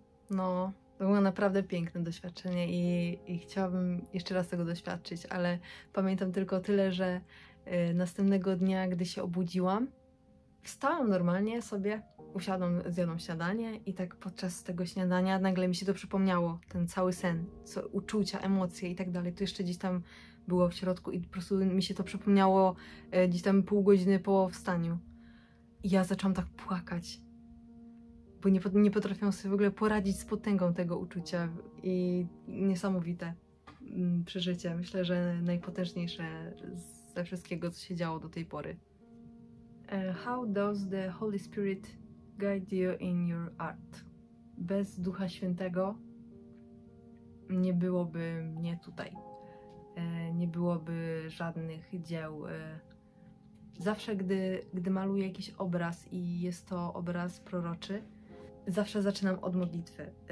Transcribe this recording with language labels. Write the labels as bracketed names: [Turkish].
[Polish] No, to było naprawdę piękne doświadczenie i chciałabym jeszcze raz tego doświadczyć, ale pamiętam tylko tyle, że następnego dnia, gdy się obudziłam, wstałam normalnie sobie, usiadłam, zjadłam śniadanie i tak podczas tego śniadania nagle mi się to przypomniało, ten cały sen, co, uczucia, emocje i tak dalej. To jeszcze gdzieś tam było w środku i po prostu mi się to przypomniało gdzieś tam pół godziny po wstaniu. I ja zaczęłam tak płakać, bo nie potrafiłam sobie w ogóle poradzić z potęgą tego uczucia i niesamowite przeżycie. Myślę, że najpotężniejsze ze wszystkiego, co się działo do tej pory. [English] How does the Holy Spirit guide you in your art? [Polish] Bez Ducha Świętego nie byłoby mnie tutaj. Nie byłoby żadnych dzieł. Zawsze, gdy maluję jakiś obraz i jest to obraz proroczy, zawsze zaczynam od modlitwy.